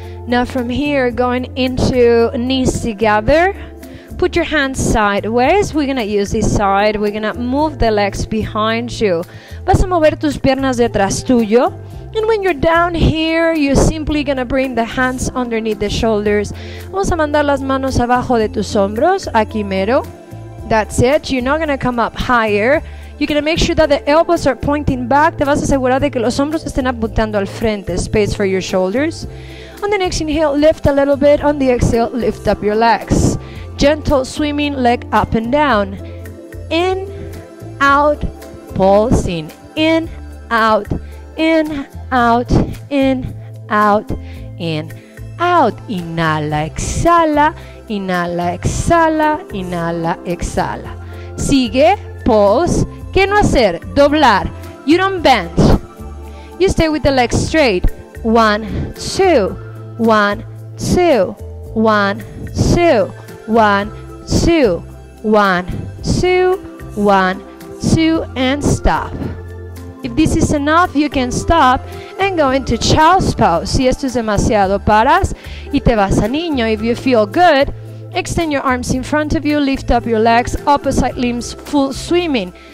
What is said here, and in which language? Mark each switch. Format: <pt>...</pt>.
<en>Now from here, going into knees together, put your hands sideways, we're gonna use this side, we're gonna move the legs behind you.</en> <es>Vas a mover tus piernas detrás tuyo.</es> <en>And when you're down here, you're simply gonna bring the hands underneath the shoulders.</en> <es>Vamos a mandar las manos abajo de tus hombros, aquí mero.</es> <en>That's it. You're not going to come up higher. You're going to make sure that the elbows are pointing back.</en> <es>Te vas a asegurar de que los hombros estén apuntando al frente.</es> <en>Space for your shoulders. On the next inhale, lift a little bit. On the exhale, lift up your legs. Gentle swimming, leg up and down. In, out, pulsing. In, out, in, out, in, out, in, out.</en> <es>Inhala, exhala. Inhala, exhala, inhala, exhala. Sigue, pause. ¿Qué no hacer? Doblar.</es> <en>You don't bend. You stay with the legs straight. One, two. One, two. One, two. One, two. One, two. One, two. And stop. If this is enough, you can stop and go into child's pose.</en> <es>Si esto es demasiado, paras y te vas a niño.</es> <en>If you feel good, extend your arms in front of you, lift up your legs, opposite limbs, full swimming.</en>